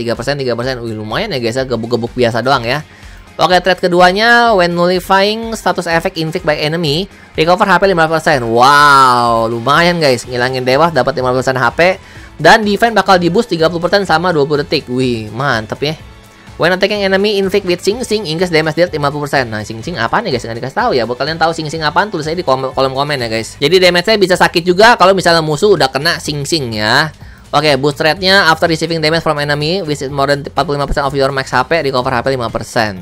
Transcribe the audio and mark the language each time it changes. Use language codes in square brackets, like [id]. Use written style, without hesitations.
[id] Wih, lumayan ya guys ya, gebuk-gebuk biasa doang ya. Oke, trait keduanya, [en] when nullifying status effect inflicted by enemy, recover HP 5%. [id] Wow, lumayan guys, ngilangin debuff dapat 5% HP dan defense bakal di boost 30% sama 20 detik. Wih, mantep ya. [en] When attacking enemy inflict with Sing Sing, increase damage dealt 50%. [id] Nah, Sing Sing apaan ya guys? Nggak dikasih tahu ya. Buat kalian tahu Sing Sing apaan, tulis aja di kolom komen ya guys. Jadi damage-nya bisa sakit juga kalau misalnya musuh udah kena Sing Sing ya. [en] Oke, okay, boost rate-nya after receiving damage from enemy with more than 45% of your max HP, recover HP 5%.